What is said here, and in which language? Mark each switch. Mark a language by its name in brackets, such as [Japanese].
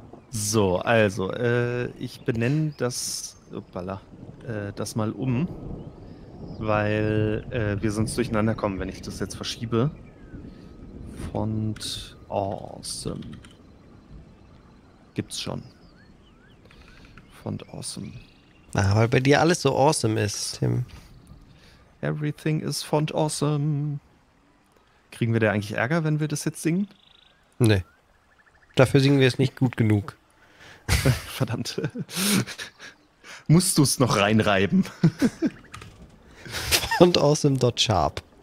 [German] So, also, ich benenne das, das mal um, weil wir sonst durcheinander kommen, wenn ich das jetzt verschiebe. Font Awesome. Gibt's schon. Font Awesome. Na, weil bei dir alles so awesome ist, Tim. [English] Everything is Font Awesome. [German] Kriegen wir da eigentlich Ärger, wenn wir das jetzt singen? Nee. Dafür singen wir es nicht gut genug. Verdammt. Musst du es noch reinreiben? Fontawesome.sharp.